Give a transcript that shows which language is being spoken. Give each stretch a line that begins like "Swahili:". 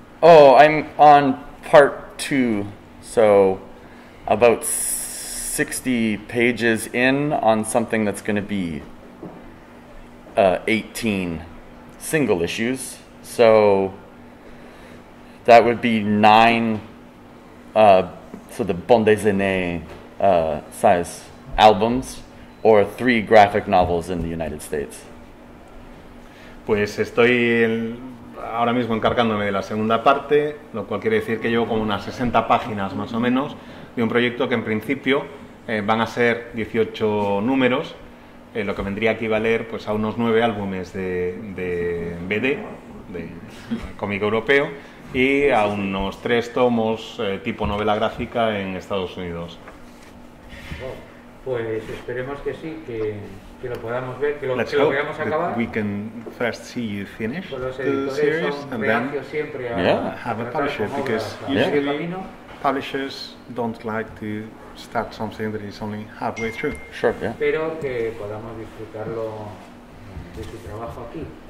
English: Oh, I'm on part 2, so about 60 pages in on something that's going to be 18 single issues, so that would be 9 so the bande dessinée size albums or 3 graphic novels in the United States.
Spanish: Pues estoy ahora mismo encargándome de la segunda parte, lo cual quiere decir que llevo como unas 60 páginas más o menos de un proyecto que en principio van a ser 18 números, lo que vendría a equivaler pues a unos 9 álbumes de BD, de cómic europeo, y a unos 3 tomos tipo novela gráfica en Estados Unidos. Pues esperemos que sí, que lo podamos ver, que lo veamos acabar.
English: Let's hope we can first see you finish the series and then have a publisher, because publishers don't like to start something that is only halfway through. Sure, yeah.
Spanish: Espero que podamos disfrutarlo de su trabajo aquí.